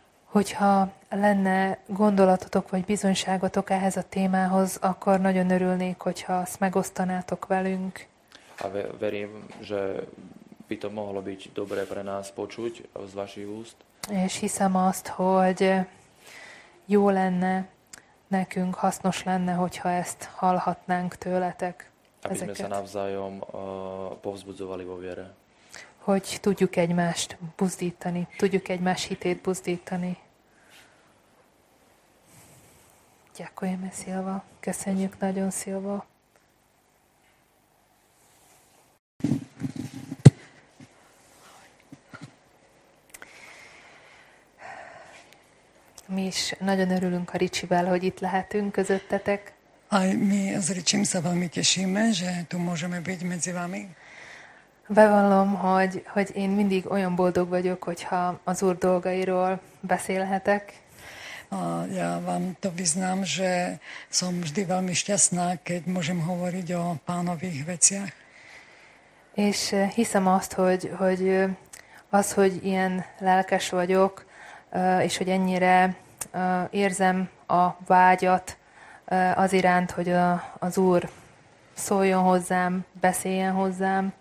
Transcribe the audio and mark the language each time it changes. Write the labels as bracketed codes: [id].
[hu] Hogyha lenne gondolatotok vagy bizonyságotok ehhez a témához, akkor nagyon örülnék, hogyha azt megosztanátok velünk. [sk] A verím, že by to mohlo byť dobré pre nás počuť z vašich úst. [hu] És hiszem azt, hogy jó lenne nekünk, hasznos lenne, hogyha ezt hallhatnánk tőletek. [sk] Aby sme sa navzájom povzbudzovali vo viere. [hu] Hogy tudjuk egymást buzdítani, tudjuk egymás hitét buzdítani. [sk] Ďakujeme, [hu] Szilva. Köszönjük nagyon, Szilva. Mi is nagyon örülünk a Ricsivel, hogy itt lehetünk közöttetek. [sk] Aj, mi s Ricsim sa veľmi tešíme, že tu môžeme byť medzi vami. [hu] Bevallom, hogy én mindig olyan boldog vagyok, hogyha az Úr dolgairól beszélhetek. [sk] Ja vám to vyznám, že som vždy veľmi šťastná, keď môžem hovoriť o pánových veciach. [hu] És hiszem azt, hogy az, hogy ilyen lelkes vagyok, és hogy ennyire érzem a vágyat az iránt, hogy az Úr szóljon hozzám, beszéljen hozzám.